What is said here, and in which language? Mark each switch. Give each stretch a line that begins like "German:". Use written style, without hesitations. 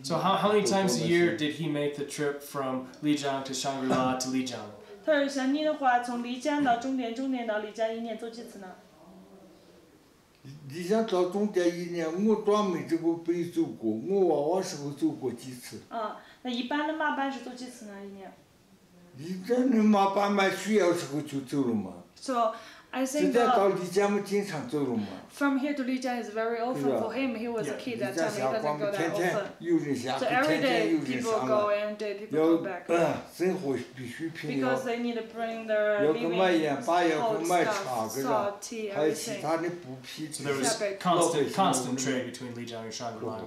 English: So how many times a year did he make the trip from Lijiang to Shangri-La to Lijiang?
Chinese: 他说像你的话，从丽江到终点，终点到丽江，一年走几次呢？丽江到终点一年，我专门这个没走过，我娃娃时候走过几次。啊，那一般的马班是走几次呢？一年？你在那马班买需要时候就走了嘛？
English: So I think.
Chinese: 现在到丽江嘛，经常走了嘛。
English: From here to Lijiang is very often for him. He was a kid that time. He doesn't go that often. So every day people go and people go back.
Chinese: 生活必需品。Because
English: they need to bring their living salt, tea, everything. So there was constant trade between Lijiang and Shangri-La.